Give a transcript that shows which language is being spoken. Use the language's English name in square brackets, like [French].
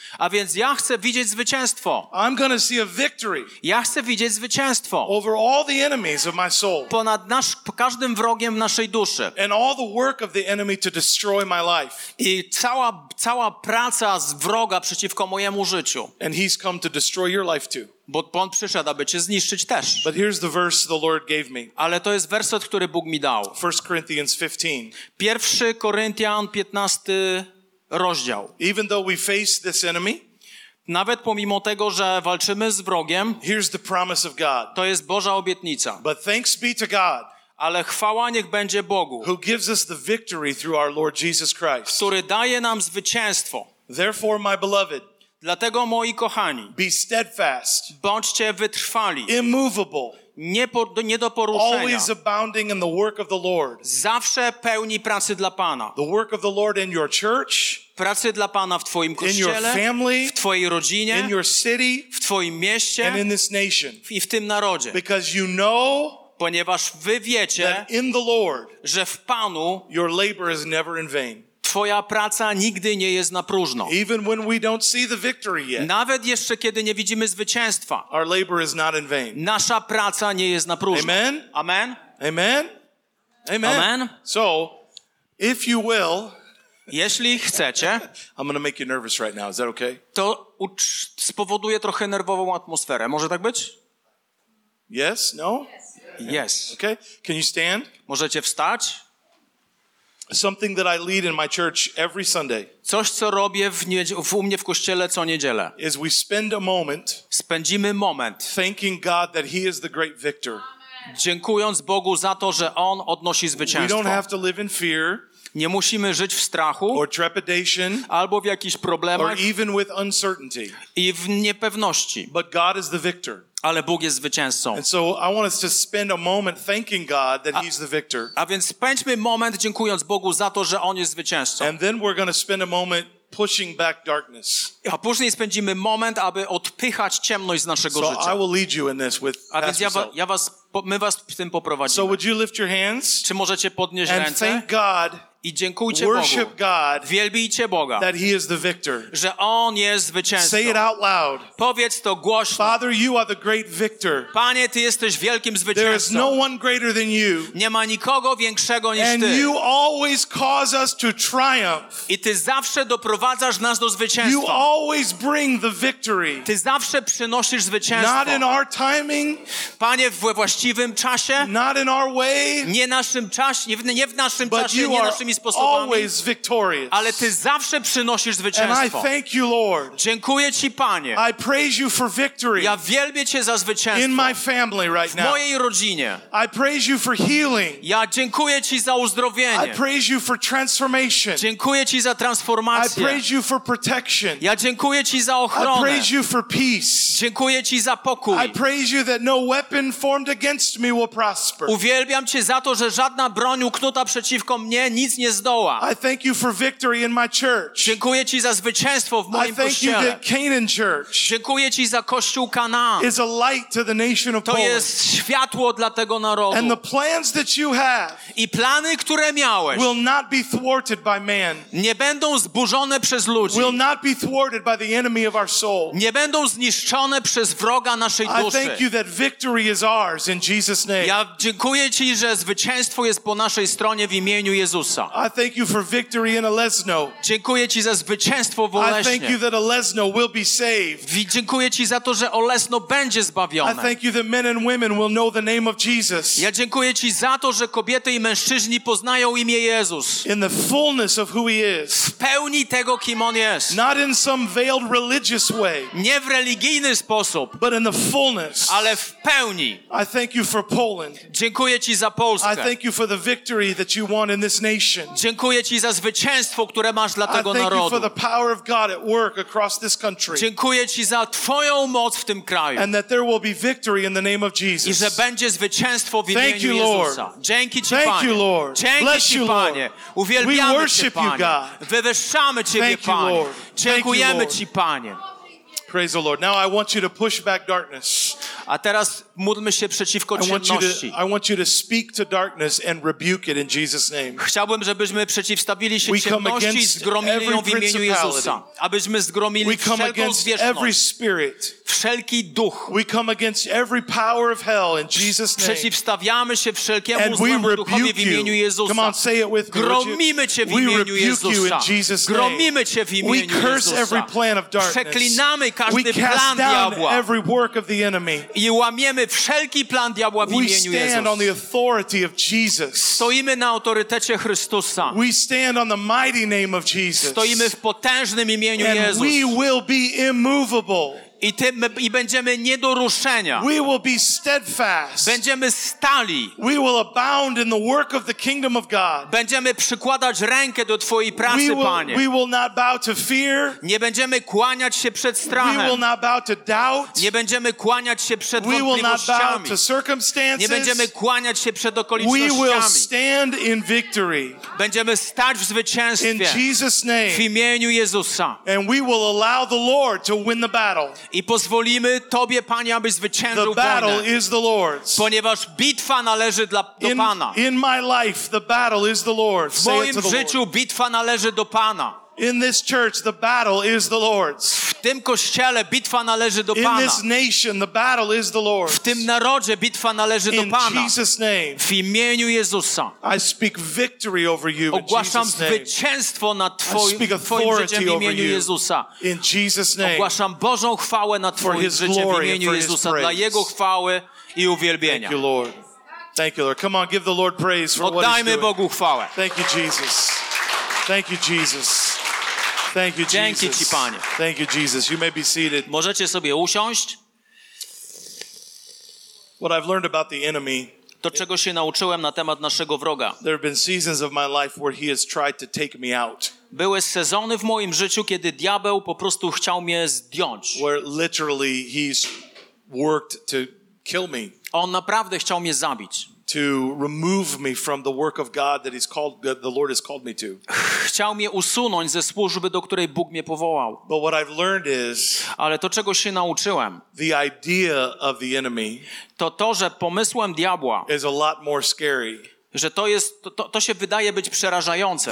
[Polish] A więc ja chcę widzieć zwycięstwo. [English] I'm gonna see a victory. [Polish] Ja chcę widzieć zwycięstwo. [English] Over all the enemies of my soul. [Polish] Ponad nasz każdym wrogiem w naszej duszy. [English] And all the work of the enemy to destroy my life. [Polish] I cała praca z wroga przeciwko mojemu życiu. [English] And he's come to destroy your life too. [Polish] Bo on przyszedł, aby cię zniszczyć też. [English] But here's the verse the Lord gave me. [Polish] Ale to jest werset, który Bóg mi dał. [English] 1 Corinthians 15. [Polish] 1 Koryntian 15. Rozdział. [English] Even though we face this enemy, [Polish] nawet pomimo tego, że walczymy z wrogiem, [English] here's the promise of God. [Polish] To jest Boża obietnica. [English] But thanks be to God, [Polish] ale chwała niech będzie Bogu, [English] who gives us the victory through our Lord Jesus Christ, [Polish] który daje nam zwycięstwo. [English] Therefore, my beloved, [Polish] dlatego moi kochani, [English] be steadfast, [Polish] bądźcie wytrwali, [English] immovable, [Polish] nie do poruszenia. [English] Always abounding in the work of the Lord. [Polish] Zawsze pełni pracy dla Pana. [English] The work of the Lord in your church. [Polish] Pracy dla Pana w twoim kościele. [English] In your family. [Polish] W twojej rodzinie. [English] In your city. [Polish] W twoim mieście. [English] And in this nation. [Polish] I w tym narodzie. [English] Because you know. [Polish] Ponieważ wy wiecie. [English] That in the Lord. [Polish] Że w Panu. [English] Your labor is never in vain. [Polish] Twoja praca nigdy nie jest na próżno. [English] Even when we don't see the victory yet, [Polish] nawet jeszcze kiedy nie widzimy zwycięstwa, [English] our labor is not in vain. [Polish] Nasza praca nie jest na próżno. Amen. Amen. Amen. Amen. Amen. [English] So, if you will, [Polish] jeśli chcecie, [English] I'm going to make you nervous right now. Is that okay? [Polish] To spowoduje trochę nerwową atmosferę. Może tak być? [English] Yes. No. Yes. Okay. Can you stand? [Polish] Możecie wstać. [English] Something that I lead in my church every Sunday. [Polish] Coś, co robię u mnie w kościele co niedzielę. [English] Is we spend a moment. [Polish] Spędzimy moment. [English] Thanking God that He is the great victor. [Polish] Dziękując Bogu za to, że On odnosi zwycięstwo. [English] We don't have to live in fear. [Polish] Nie musimy żyć w strachu. [English] Or trepidation. [Polish] Albo w jakichś problemach. [English] Or even with uncertainty. [Polish] I w niepewności. [English] But God is the victor. [Polish] Ale Bóg jest zwycięzcą. [English] And so I want us to spend a moment thanking God that He's the victor. [Polish] A więc spędźmy moment dziękując Bogu za to, że On jest zwycięzcą. [English] And then we're going to spend a moment pushing back darkness. [Polish] A później spędzimy moment, aby odpychać ciemność z naszego [English] so [Polish] życia. [English] So I will lead you in this with Pastor. [Polish] A więc my was w tym poprowadzimy. [English] So would you lift your hands? [Polish] Czy możecie podnieść [English] and [Polish] ręce? [English] Thank God. [Polish] I dziękujcie [English] worship [Polish] Bogu. [English] God. [Polish] Wielbijcie Boga. [English] That He is the victor. [Polish] Że On jest zwycięzcą. [English] Say it out loud. [Polish] Powiedz to głośno. [English] Father, you are the great victor. [Polish] Panie, ty jesteś wielkim zwycięzcą. [English] There is no one greater than you. [Polish] Nie ma nikogo większego niż [English] and [Polish] ty. [English] And you always cause us to triumph. [Polish] I ty zawsze doprowadzasz nas do zwycięstwa. [English] You always bring the victory. [Polish] Ty zawsze przynosisz zwycięstwo. [English] Not in our timing. [Polish] Panie, w właściwym czasie. [English] Not in our way. [Polish] Nie naszym czasie. Nie w naszym [English] but [Polish] czasie. [English] But you [Polish] nie sposobami, [English] always victorious. [Polish] Ale ty zawsze przynosisz zwycięstwo. [English] And I thank you, Lord. [Polish] Dziękuję ci, Panie. [English] I praise you for victory. [Polish] Ja wielbię cię za zwycięstwo. [English] In my family right now. [Polish] W mojej rodzinie. [English] I praise you for healing. [Polish] Ja dziękuję ci za uzdrowienie. [English] I praise you for transformation. [Polish] Dziękuję ci za transformację. [English] I praise you for protection. [Polish] Ja dziękuję ci za ochronę. [English] I praise you for peace. [Polish] Dziękuję ci za pokój. [English] I praise you that no weapon formed against me will prosper. [Polish] Uwielbiam cię za to, że żadna broń uknuta przeciwko mnie nic nie zdoła. [English] I thank you for victory in my church. [Polish] Dziękuję ci za zwycięstwo w moim kościele. [English] I thank you that Canaan Church. [Polish] Dziękuję ci za kościół Kanaan. [English] Is a light to the nation of Poland. [Polish] To jest światło dla tego narodu. [English] And the plans that you have. [Polish] I plany, które miałeś. [English] Will not be thwarted by man. [Polish] Nie będą zburzone przez ludzi. [English] Will not be thwarted by the enemy of our soul. [Polish] Nie będą zniszczone przez wroga naszej duszy. [English] I thank you that victory is ours in Jesus' name. [Polish] Ja dziękuję ci, że zwycięstwo jest po naszej stronie w imieniu Jezusa. [English] I thank you for victory in Olesno. [Polish] Dziękuję ci za zwycięstwo w Olesnie. [English] I thank you that Olesno will be saved. [Polish] Dziękuję ci za to, że Olesno będzie zbawione. [English] I thank you that men and women will know the name of Jesus. [Polish] Ja dziękuję ci za to, że kobiety i mężczyźni poznają imię Jezus. [English] In the fullness of who He is. [Polish] W pełni tego, kim On jest. [English] Not in some veiled religious way. [Polish] Nie w religijny sposób. [English] But in the fullness. [Polish] Ale w pełni. [English] I thank thank you for Poland. [Polish] Dziękuję ci za Polskę. [English] I thank you for the victory that you won in this nation. [Polish] Dziękuję ci za zwycięstwo, które masz dla tego narodu. [English] I thank you for the power of God at work across this country. [Polish] Dziękuję ci za twoją moc w tym kraju. [English] And that there will be victory in the name of Jesus. [Polish] I że będzie zwycięstwo w imieniu [English] thank you, Lord. [Polish] Jezusa. Dzięki ci, [English] thank [Polish] Panie. [English] You, Lord. [Polish] Dzięki [English] bless [Polish] ci, [English] you, Lord. [Polish] Panie. Uwielbiamy [English] we worship [Polish] cię, Panie. [English] You, God. [Polish] Wywyższamy ciebie, [English] thank [Polish] Panie. [English] You, Lord. [Polish] Dziękujemy [English] thank [Polish] ci, Panie. [English] Praise the Lord. Now I want you to push back darkness. [Polish] A teraz módlmy się przeciwko ciemności. [English] I want you to speak to darkness and rebuke it in Jesus' name. [Polish] Chciałbym, żebyśmy przeciwstawili się ciemności i zgromili ją w imieniu Jezusa. Abyśmy zgromili wszelką zwierzchność. Wszelki duch. [English] We come against every power of hell in Jesus' name. [Polish] Przeciwstawiamy się wszelkiemu złemu duchowi w imieniu Jezusa. [English] Come on, say it with me. [Polish] Gromimy cię w imieniu Jezusa. Gromimy cię w imieniu Jezusa. [English] We curse every plan of darkness. [Polish] Przeklinamy każdy plan diabła. [English] Every work of the enemy. [Polish] I łamiemy wszelki plan diabła w imieniu Jezusa. [English] We stand on the authority of Jesus. [Polish] Stoimy na autorytecie Chrystusa. [English] We stand on the mighty name of Jesus. [Polish] Stoimy w potężnym imieniu Jezusa. [English] And we will be immovable. [Polish] I będziemy nie do ruszenia. [English] We will be steadfast. [Polish] Będziemy stali. [English] We will abound in the work of the kingdom of God. [Polish] Będziemy przykładać rękę do twojej pracy, Panie. [English] We will not bow to fear. [Polish] Nie będziemy kłaniać się przed strachem. [English] We will not bow to doubt. [Polish] Nie będziemy kłaniać się przed wątpliwościami. [English] We will not bow to circumstances. [Polish] Nie będziemy kłaniać się przed okolicznościami. [English] We will stand in victory. [Polish] Będziemy stać w zwycięstwie. [English] In Jesus name. [Polish] W imieniu Jezusa. [English] And we will allow the Lord to win the battle. [Polish] I pozwolimy Tobie, Panie, abyś zwyciężył [English] the battle [Polish] wojnę. [English] Is the Lord's. [Polish] Ponieważ bitwa należy do Pana. [English] In my life, the battle is the Lord's. [Polish] W moim życiu bitwa należy do Pana. [English] In this church, the battle is the Lord's. [Polish] W tym kościele bitwa należy do Pana. [English] In this nation, the battle is the Lord's. [Polish] W tym narodzie bitwa należy [English] in [Polish] do Pana. [English] In Jesus' name. [Polish] W imieniu Jezusa. [English] I speak victory over you. [Polish] Ogłaszam zwycięstwo nad twoim życiem w imieniu Jezusa. [English] In Jesus' name. [Polish] Ogłaszam Bożą chwałę nad twoim życiem w imieniu Jezusa dla Jego chwały i uwielbienia. [English] Thank you, Lord. Thank you, Lord. Come on, give the Lord praise for [Polish] oddajmy [English] what He's doing. [Polish] Bogu chwałę. [English] Thank you, Jesus. Thank you, Jesus. Thank you, Jesus. [Polish] Dzięki ci, Panie. [English] Thank you, Jesus. You may be seated. [Polish] Możecie sobie usiąść. [English] What I've learned about the enemy. [Polish] To czego się nauczyłem na temat naszego wroga. [English] There have been seasons of my life where he has tried to take me out. [Polish] Były sezony w moim życiu, kiedy diabeł po prostu chciał mnie zdjąć. [English] Where literally he's worked to kill me. [Polish] On naprawdę chciał mnie zabić. [English] To remove me from the work of God that He's called, that the Lord has called me to. [Polish] Chciał mnie usunąć ze służby, do której Bóg mnie powołał. [English] But what I've learned is, [Polish] ale to czego się nauczyłem, [English] the idea of the enemy, [Polish] to, że pomysłem diabła, [English] is a lot more scary, [Polish] że to jest, to się wydaje być przerażające,